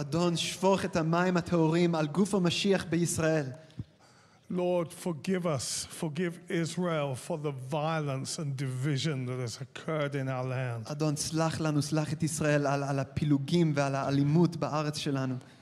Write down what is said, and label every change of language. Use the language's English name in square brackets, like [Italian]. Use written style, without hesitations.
[Hebrew] אדון, שפוך את המים הטהורים על גוף המשיח בישראל. [English] Lord, forgive us, forgive Israel for the violence and division that has occurred in our land. [Hebrew] אדון, סלח לנו, סלח את ישראל על הפילוגים ועל האלימות בארץ שלנו.